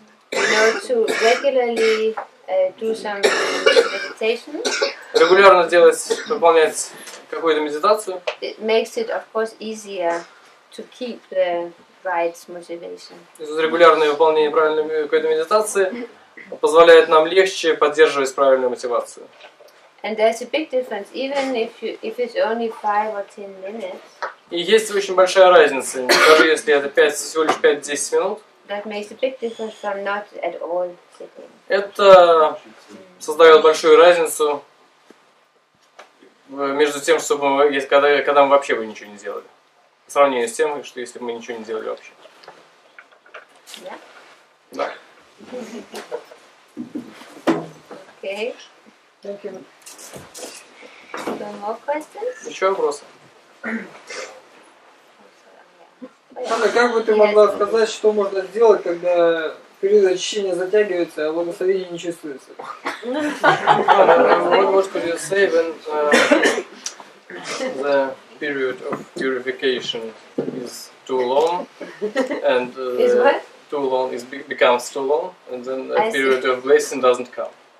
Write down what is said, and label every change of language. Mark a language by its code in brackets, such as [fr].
[en] You know, to regularly do some meditation. [ru] Регулярно выполнять какую-то медитацию. [en] It makes it, of course, easier to keep the right motivation. [ru] Регулярное выполнение правильной какой-то медитации позволяет нам легче поддерживать правильную мотивацию. [en] And there's a big difference, even if it's only 5 or 10 minutes. [ru] И есть очень большая разница, даже если это всего лишь 5-10 минут. [en] That makes a big difference from not at all sitting. [ru] Это создает большую разницу между тем, чтобы мы, когда мы вообще бы ничего не сделали. В сравнении с тем, что если бы мы ничего не делали вообще. [en] Yeah. [ru] Да. Окей. [en] Okay. Thank you. Some more questions? [ru] Еще вопросы? Анна, как бы ты могла сказать, что можно сделать, когда период очищения затягивается, а благословение не чувствуется? [en] What could you say when the period of purification is too long, and too long is becomes too long, and then the period of blessing doesn't come.